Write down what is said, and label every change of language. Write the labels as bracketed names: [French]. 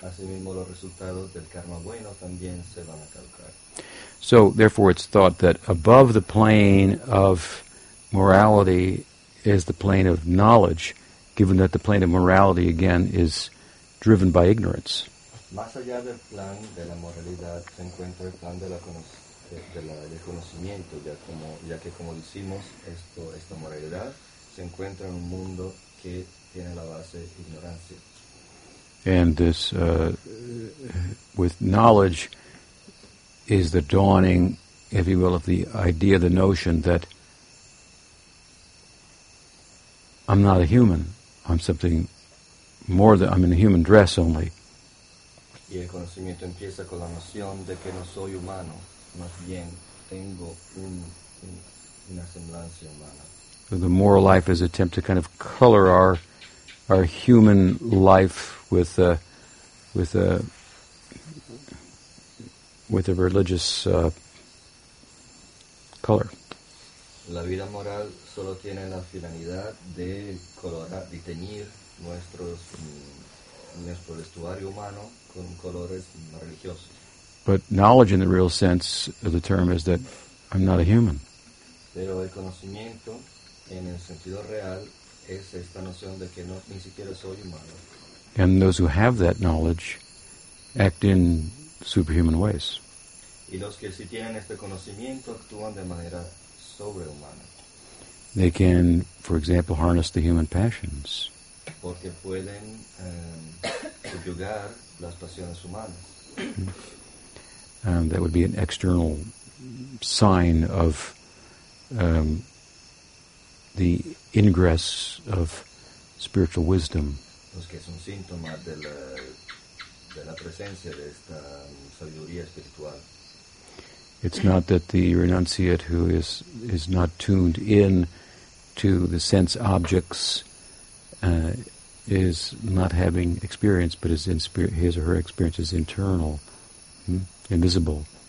[Spanish] Asimismo, los resultados del karma bueno también se van a caducar. [English] So therefore it's thought that above the plane of morality is the plane of knowledge, given that the plane of morality again is driven by ignorance. [Spanish] Más allá del plan de la moralidad se encuentra el plan de la del conocimiento, ya que como decimos esta moralidad se encuentra en un mundo que tiene la base ignorancia. [English] And this with knowledge is the dawning, if you will, of the idea, the notion that I'm not a human. I'm something more than, I'm in a human dress only. [Spanish] Y el conocimiento empieza con la noción de que no soy humano, más bien tengo una semblanza humana. [English] So the moral life is an attempt to kind of color our human life with a religious color. [Spanish] La vida moral solo tiene la finalidad de colorar, de teñir nuestro vestuario humano con colores religiosos. [English] But knowledge in the real sense of the term is that I'm not a human. [Spanish] Pero el conocimiento en el sentido real es esta noción de que no, ni siquiera soy humano. [English] And those who have that knowledge act in superhuman ways. [Spanish] Y los que sí tienen este conocimiento actúan de manera sobrehumana. [English] They can, for example, harness the human passions. [Spanish] Porque pueden subyugar las pasiones humanas. [English] That would be an external sign of the ingress of spiritual wisdom. [Spanish] Los que son síntomas de la presencia de esta sabiduría espiritual. [English] It's not that the renunciate who is not tuned in to the sense objects is not having experience, but his or her experience is internal, invisible.